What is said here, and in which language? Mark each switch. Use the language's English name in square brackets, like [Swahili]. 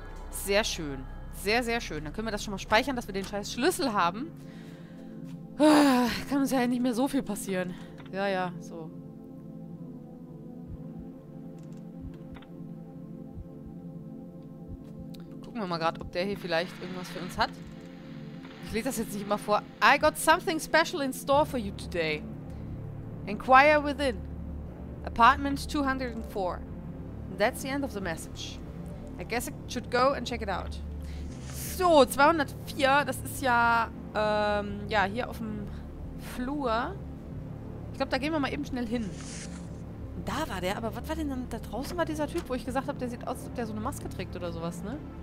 [German] Sehr schön. Sehr, sehr schön. Dann können wir das schon mal speichern, dass wir den scheiß Schlüssel haben. Kann uns ja nicht mehr so viel passieren. Ja, ja, so. Gucken wir mal gerade, ob der hier vielleicht irgendwas für uns hat. Ich lese das jetzt nicht immer vor. [English] I got something special in store for you today. Inquire within. Apartment 204. And that's the end of the message. I guess I should go and check it out. [German] So, 204, das ist ja, ja, hier auf dem Flur. Ich glaube, da gehen wir mal eben schnell hin. Da war der, aber was war denn dann, da draußen war dieser Typ, wo ich gesagt habe, der sieht aus, als ob der so eine Maske trägt oder sowas, ne?